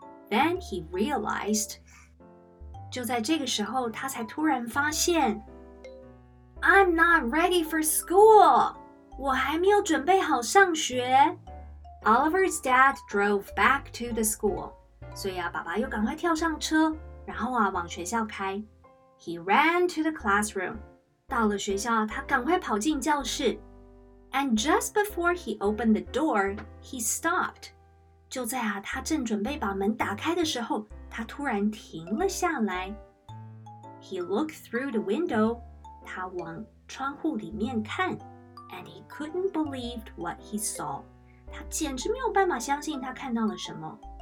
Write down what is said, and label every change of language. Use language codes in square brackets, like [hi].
[en] Then he realized， [zh] 就在这个时候，他才突然发现 ， [en] I'm not ready for school， [zh] 我还没有准备好上学。 [en] Oliver's dad drove back to the school， [zh] 所以啊，爸爸又赶快跳上车，然后啊，往学校开。 [en] He ran to the classroom. [zh] 到了学校，他赶快跑进教室。 [en] And just before he opened the door, he stopped. [zh] 就在啊，他正准备把门打开的时候，他突然停了下来。 [en] He looked through the window. [zh] 他往窗户里面看。 [en] And he couldn't believe what he saw. [zh] 他简直没有办法相信他看到了什么。